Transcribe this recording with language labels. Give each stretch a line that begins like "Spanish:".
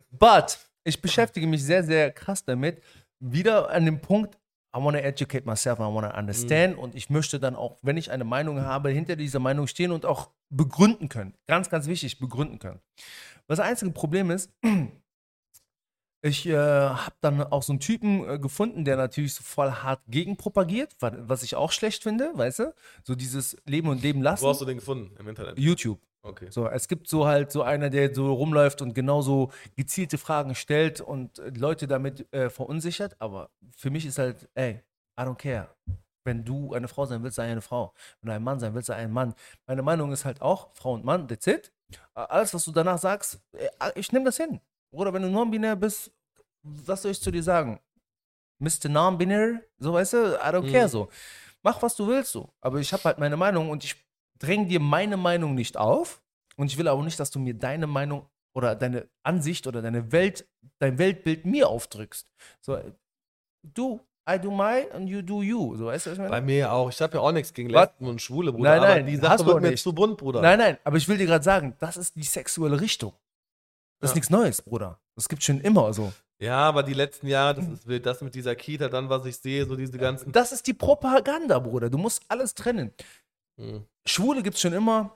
German: But ich beschäftige mich sehr, sehr krass damit. Wieder an dem Punkt,
English: I want to educate myself, I want to understand.
German: Und ich möchte dann auch, wenn ich eine Meinung habe, hinter dieser Meinung stehen und auch begründen können. Ganz, ganz wichtig, begründen können. Das einzige Problem ist, ich habe dann auch so einen Typen gefunden, der natürlich so voll hart gegenpropagiert, was ich auch schlecht finde, weißt du? So dieses Leben und Leben lassen. Wo hast du den gefunden im Internet? YouTube. Okay. So, es gibt so halt so einer, der so rumläuft und genauso gezielte Fragen stellt und Leute damit verunsichert. Aber für mich ist halt, ey,
English: I don't care.
German: Wenn du eine Frau sein willst, sei eine Frau. Wenn du ein Mann sein willst, sei ein Mann. Meine Meinung ist halt auch, Frau und Mann,
English: that's it.
German: Alles, was du danach sagst, ich nehme das hin. Oder wenn du non-binär bist, was soll ich zu dir sagen? Mr. Non-binär, so weißt du,
English: I don't care
German: so. Mach, was du willst so. Aber ich habe halt meine Meinung und ich dränge dir meine Meinung nicht auf. Und ich will aber nicht, dass du mir deine Meinung oder deine Ansicht oder deine Welt, dein Weltbild mir aufdrückst.
English: So, du, I do my and you do you.
German: So weißt du, was ich meine? Bei mir auch. Ich habe ja auch nichts gegen Lesben und Schwule, Bruder. Nein, nein, aber die Sache wird mir zu bunt, Bruder. Nein, nein, aber ich will dir gerade sagen, das ist die sexuelle Richtung. Das ist nichts Neues, Bruder. Das gibt's schon immer so. Ja, aber die letzten Jahre, das ist wild. Das mit dieser Kita, dann, was ich sehe, so diese ganzen... Das ist die Propaganda, Bruder. Du musst alles trennen. Schwule gibt's schon immer.